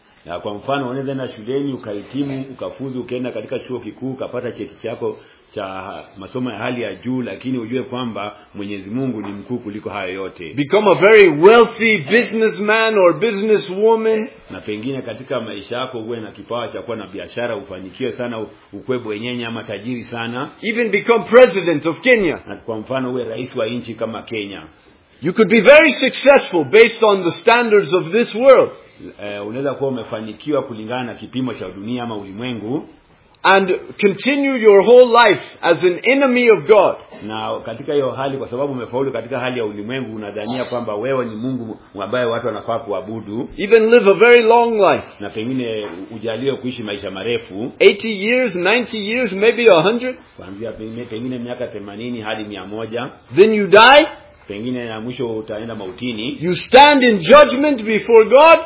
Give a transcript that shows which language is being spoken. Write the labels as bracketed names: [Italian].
[Swahili] Na kwa mfano unaweza na shuleni ukahitimu, ukafuzu, ukaenda katika chuo kikuu, ukapata cheti chako cha masomo ya hali ya juu, lakini ujue kwamba Mwenyezi Mungu ni mkuu kuliko hayo yote. [English] Become a very wealthy businessman or businesswoman. [Swahili] Na pengine katika maisha yako uwe na kipawa cha kuwa na biashara, ufanikiwe sana, ukuwe bwenyenye ama tajiri sana. [English] Even become president of Kenya. [Swahili] Na kwa mfano uwe rais wa nchi kama Kenya. [English] You could be very successful based on the standards of this world. [Swahili] Unaweza kuwa umefanikiwa kulingana na kipimo cha dunia ama ulimwengu. [English] And continue your whole life as an enemy of God. [Swahili] Na katika hiyo hali kwa sababu umefaulu katika hali ya ulimwengu unadhania kwamba wewe ni Mungu ambaye watu wanafaa kuabudu. [English] Even live a very long life. [Swahili] Na pengine ujaliwe kuishi maisha marefu. [English] 80 years, 90 years, maybe 100. [Swahili] Kwambia pengine miaka 80 hadi 100. [English] Then you die. [Swahili] Pengine na mwisho utaenda mautini. [English] You stand in judgment before God.